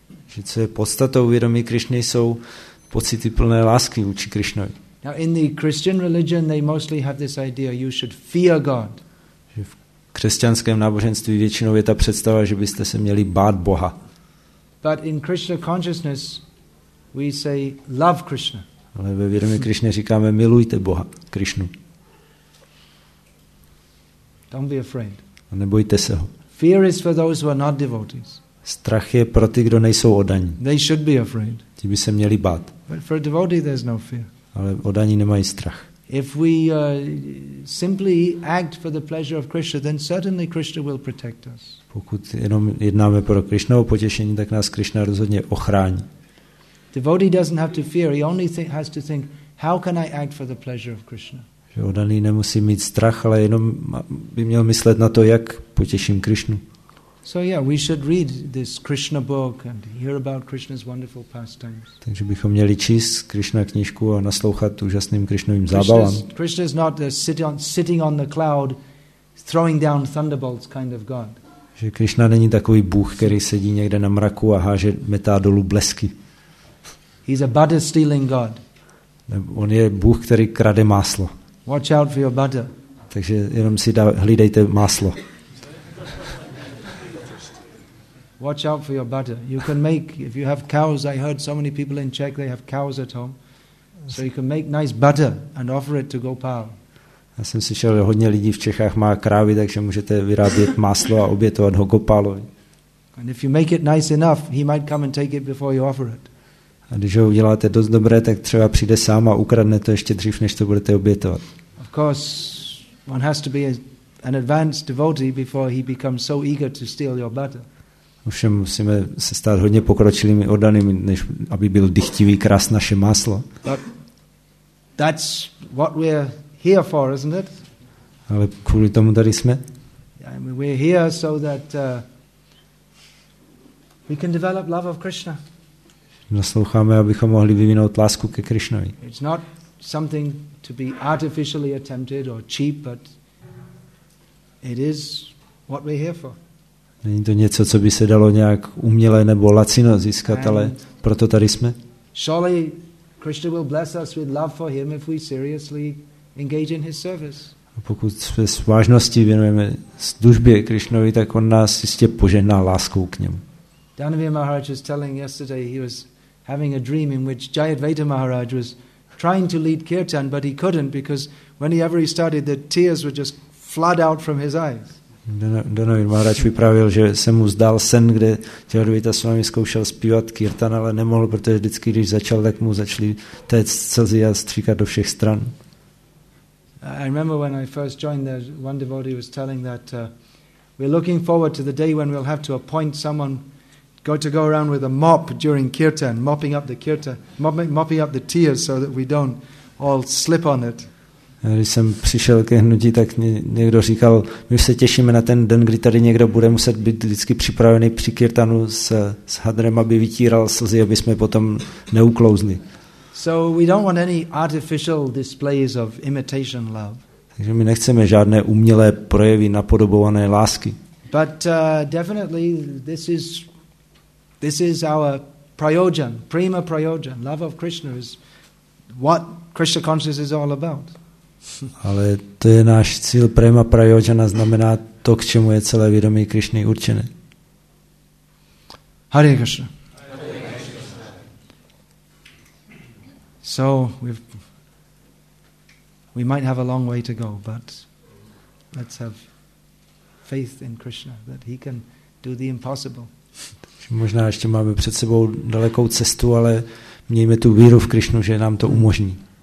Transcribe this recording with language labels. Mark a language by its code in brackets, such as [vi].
[cs] Že co je podstatou vědomí Krišny, jsou pocity plné lásky vůči Krišnovi. [en] Now in the Christian religion they mostly have this idea you should fear God. [cs] Že v křesťanském náboženství většinou je ta představa, že byste se měli bát Boha. [en] But in Krishna consciousness we say love Krishna. [cs] Ale ve vědomí Krišně říkáme milujte Boha, Krišnu. [en] Don't be afraid. [cs] A nebojte se ho. [en] Fear is for those who are not devotees. [cs] Strach je pro ty, kdo nejsou oddaní. [en] They should be afraid. [cs] Ti by se měli bát. [en] But for a devotee there's no fear. [cs] Ale oddaní nemají strach. [en] If we simply act for the pleasure of Krishna, then certainly Krishna will protect us. [cs] Pokud jenom jednáme pro Krišnovo potěšení, tak nás Krišna rozhodně ochrání. [en] Devotee doesn't have to fear. He only has to think, how can I act for the pleasure of Krishna? [cs] Že oddaný nemusí mít strach, ale jenom by měl myslet na to, jak potěším Krišnu. [en] So yeah, we should read this Krishna book and hear about Krishna's wonderful pastimes. [cs] Takže bychom měli číst Krishna knížku a naslouchat úžasným Krišnovým zábavám. [en] Krishna is not sitting on the cloud throwing down thunderbolts kind of god. [cs] Že Krishna není takový bůh, který sedí někde na mraku a háže metá dolů blesky. [en] He's a butter stealing god. [cs] On je bůh, který krade máslo. [en] Watch out for your butter. [cs] Takže jenom si hlídejte máslo. [en] Watch out for your butter. You can make, if you have cows, I heard so many people in Czech, they have cows at home. So you can make nice butter and offer it to Gopal. [cs] Já jsem slyšel, že hodně lidí v Čechách má krávy, takže můžete vyrábět máslo a obětovat ho Gopalovi. [en] And if you make it nice enough, he might come and take it before you offer it. [cs] A když ho uděláte dost dobré, tak třeba přijde sám a ukradne to ještě dřív, než to budete obětovat. [en] Of course, one has to be an advanced devotee before he becomes so eager to steal your butter. [cs] Ovšem musíme se stát hodně pokročilými oddanými, než aby byl dychtivý krás naše máslo. [en] But that's what we're here for, isn't it? [cs] Ale kvůli tomu tady jsme. [en] I mean, we're here so that we can develop love of Krishna. [cs] Nasloucháme, abychom mohli vyvinout lásku ke Krišnovi. [en] It's not something to be artificially attempted or cheap, but it is what we're here for. [cs] Není to něco, co by se dalo nějak uměle nebo lacino získat, ale proto tady jsme. [en] Surely Krishna will bless us with love for him if we seriously engage in his service. [cs] A pokud se s vážností věnujeme službě Krišnovi, tak on nás jistě požehná láskou k němu. [en] Dhanavir Maharaj was telling yesterday he was having a dream in which Jayadvaita Maharaj was trying to lead kirtan, but he couldn't because whenever he started, the tears would just flood out from his eyes. [cs] Dhanavir Maharaj vyprávěl, že se mu zdál sen, kde Jayadvaita Swami zkoušel zpívat kirtan, ale nemohl, protože vždycky, když začal, tak mu začaly téct slzy a stříkat do všech stran. [en] I remember when I first joined there, one devotee was telling that we're looking forward to the day when we'll have to appoint someone go around with a mop during kirtan, mopping up the tears so that we don't all slip on it. [cs] Když jsem přišel ke hnutí, tak někdo říkal, my se těšíme na ten den, kdy tady někdo bude muset být vždycky připravený při kirtanu s hadrem, aby vytíral slzy, aby jsme potom neuklouzli. [en] So we don't want any artificial displays of imitation love. [cs] Takže my nechceme žádné umělé projevy napodobované lásky. [en] But definitely this is our prayojan, prima prayojan. Love of Krishna is what Krishna consciousness is all about. [cs] Ale to je náš cíl, prima prayojana znamená to, k čemu je celé vědomí Krišny určené. [en] Hare Krishna. So we might have a long way to go, but let's have faith in Krishna that he can do the impossible. [cs] Možná ještě máme před sebou dalekou cestu, ale mějme tu víru v Krišnu, že nám to umožní.